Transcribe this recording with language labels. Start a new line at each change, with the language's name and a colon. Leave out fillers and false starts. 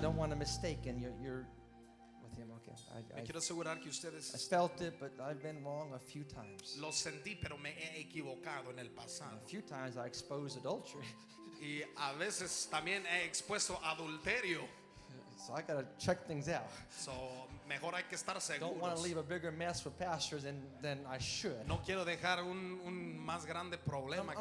English: don't want a mistake, and you're with him. Okay,
Spanish: me quiero asegurar que ustedes.
English: I felt it, but I've been wrong a few times.
Spanish: Lo sentí, pero me he equivocado en el pasado.
English: A few times I exposed adultery.
Spanish: Y a veces también he expuesto adulterio.
English: So I gotta check things out.
Spanish: So mejor hay que estar seguros.
English: Don't want to leave a bigger mess for pastors than I should.
Spanish: No quiero dejar un más grande problema que debería.